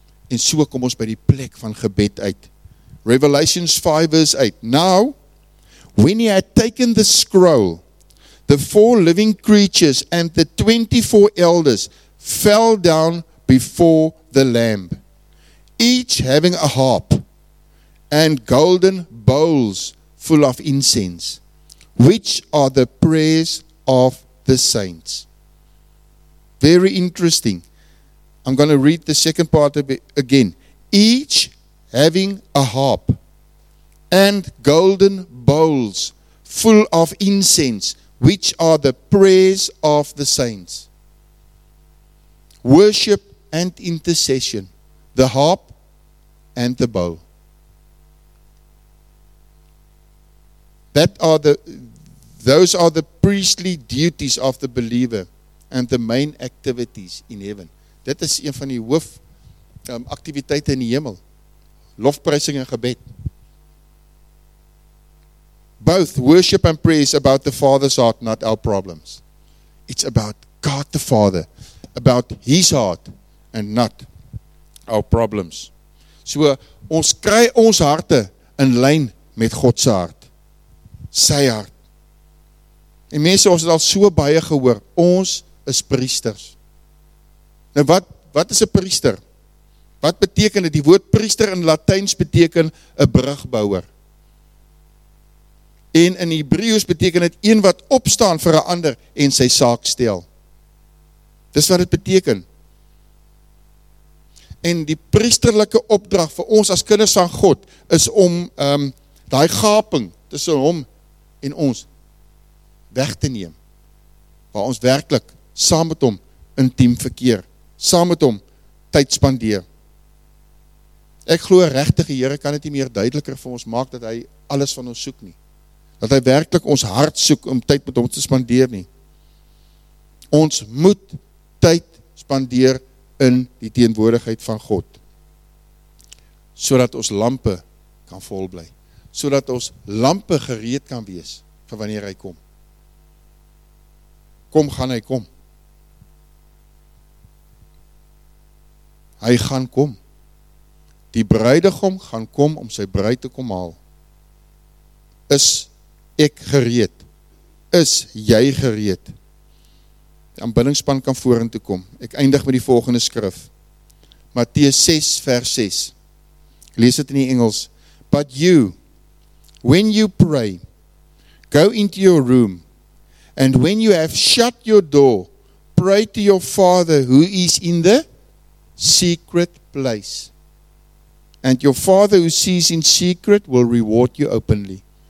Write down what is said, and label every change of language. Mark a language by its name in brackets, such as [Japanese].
[Afrikaans] En so kom ons by die plek van gebed uit. [English] Revelation 5 verse 8. Now, when he had taken the scroll, the four living creatures and the 24 elders fell down before the Lamb, each having a harp and golden bowls full of incense, which are the prayers of the saints. Very interesting. I'm going to read the second part of it again. Each having a harp and golden bowls full of incense, which are the prayers of the saints. Worship and intercession, the harp and the bowl. Those are the priestly duties of the believer and the main activities in heaven. [Afrikaans] Dit is een van die hoof aktiwiteite in die hemel. Lofprysing en gebed. [English] Both worship and prayer is about the Father's heart, not our problems. It's about God the Father, about His heart and not our problems. [Afrikaans] So, ons kry ons harte in lyn met God se hart. Sy hart. En mense, ons het al so baie gehoor. Ons is priesters. Nou wat is 'n priester? Wat beteken dit? Die woord priester in Latyns beteken 'n brugbouer. En in Hebreeus beteken dit een wat opstaan vir 'n ander en sy saak stel. Dis wat dit beteken. En die priesterlike opdrag vir ons as kinders van God is om daai gaping tussen hom en ons weg te neem. Waar ons werklik saam met hom intiem verkeer. Saam met hom tyd spandeer. Ek glo regtig die Here kan dit nie meer duideliker vir ons maak dat hy alles van ons soek nie. Dat hy werklik ons hart soek om tyd met hom te spandeer nie. Ons moet tyd spandeer in die teenwoordigheid van God. Sodat ons lampe kan vol bly. Sodat ons lampe gereed kan wees vir wanneer hy kom. Kom, gaan hy kom. Hy gaan kom. Die bruidegom gaan kom om sy bruid te kom haal. Is ek gereed? Is jy gereed? Die aanbiddingspan kan vorentoe kom. Ek eindig met die volgende skrif. Matteus 6 vers 6. Ek lees dit in die Engels. [English] But you, when you pray, go into your room, and when you have shut your door, pray to your Father who is in the secret place. And your Father who sees in secret will reward you openly.